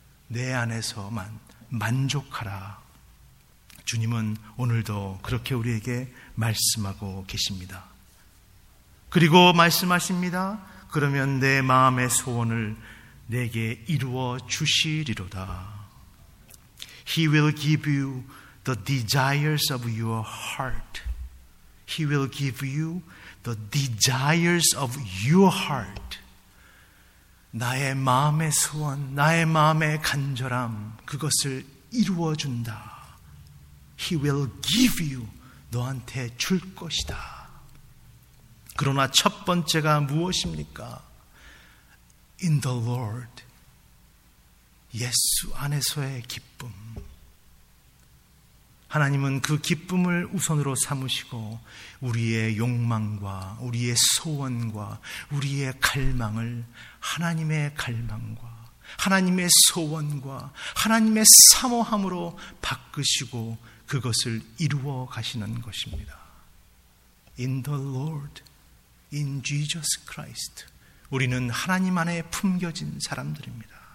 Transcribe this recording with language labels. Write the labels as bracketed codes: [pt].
[ko] 내 안에서만 만족하라. 주님은 오늘도 그렇게 우리에게 말씀하고 계십니다. 그리고 말씀하십니다. 그러면 내 마음의 소원을 내게 이루어 주시리로다. [en] He will give you the desires of your heart. He will give you the desires of your heart. [ko] 나의 마음의 소원, 나의 마음의 간절함, 그것을 이루어준다. [en] He will give you, [ko] 너한테 줄 것이다. 그러나 첫 번째가 무엇입니까? [en] In the Lord, [ko] 예수 안에서의 기쁨. 하나님은 그 기쁨을 우선으로 삼으시고 우리의 욕망과 우리의 소원과 우리의 갈망을 하나님의 갈망과 하나님의 소원과 하나님의 사모함으로 바꾸시고 그것을 이루어 가시는 것입니다. [en] In the Lord, in Jesus Christ, [ko] 우리는 하나님 안에 품겨진 사람들입니다.